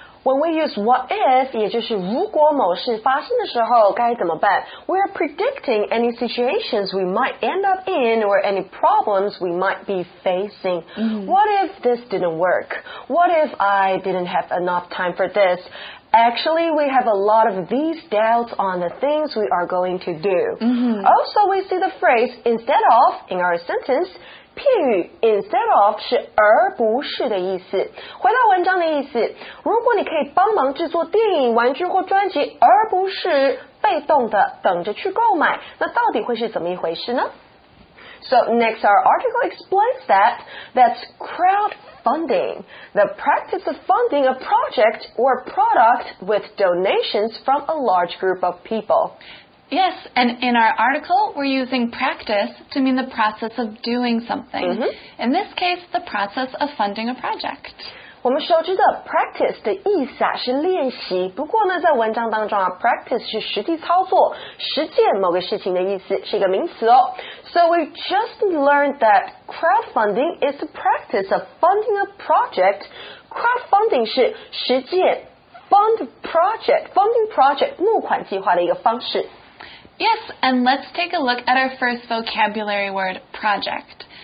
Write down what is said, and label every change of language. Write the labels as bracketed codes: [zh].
[en] When we use what if, [zh] 也就是如果某事发生的时候该怎么办, [en] we are predicting any situations we might end up in or any problems we might be facing. Mm-hmm. What if this didn't work? What if I didn't have enough time for this? Actually, we have a lot of these doubts on the things we are going to do. Mm-hmm. Also, we see the phrase instead of in our sentence. [zh] 譬如 instead of 是而不是的意思。回到文章的意思，如果你可以帮忙制作电影、玩具或专辑，而不是被动的等着去购买，那到底会是怎么一回事呢？ [en] So next, our article explains that's crowdfunding, the practice of funding a project or product with donations from a large group of people. Yes, and in our article, we're using practice to mean the process of doing something. Mm-hmm. In this case, the process of funding a project. [zh] 我们熟知的 practice 的意思啊是练习，不过呢，在文章当中啊 ，practice 是实际操作、实践某个事情的意思，是一个名词哦。 [en] So we just learned that crowdfunding is the practice of funding a project, [zh] crowdfunding 是实践 [en] fund project, funding project, [zh] 募款计划的一个方式。 [en] Yes, and let's take a look at our first vocabulary word, project.